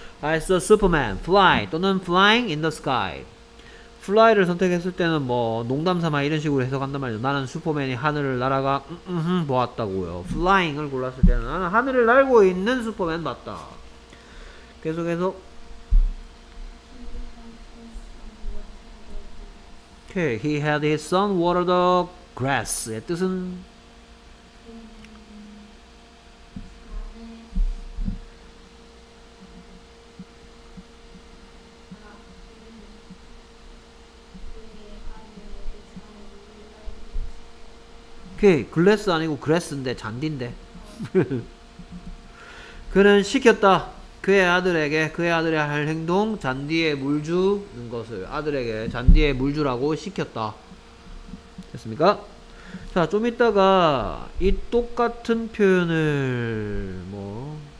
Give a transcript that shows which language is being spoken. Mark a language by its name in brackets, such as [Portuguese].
[English] I saw Superman fly [Korean] 또는 [English] flying in the sky. [Korean] fly를 선택했을 때는 뭐 농담삼아 이런 식으로 해석한단 말이죠. 나는 슈퍼맨이 하늘을 날아가 보았다고요. flying을 골랐을 때는 나는 하늘을 날고 있는 슈퍼맨 봤다. 계속해서 okay. [English] He had his son water the grass [Korean] 의 뜻은 오케이. 글래스 아니고 그래스인데 잔디인데. 그는 시켰다. 그의 아들에게 그의 아들이 할 행동 잔디에 물 주는 것을 아들에게 잔디에 물 주라고 시켰다. 됐습니까? 자, 좀 이따가 이 똑같은 표현을 뭐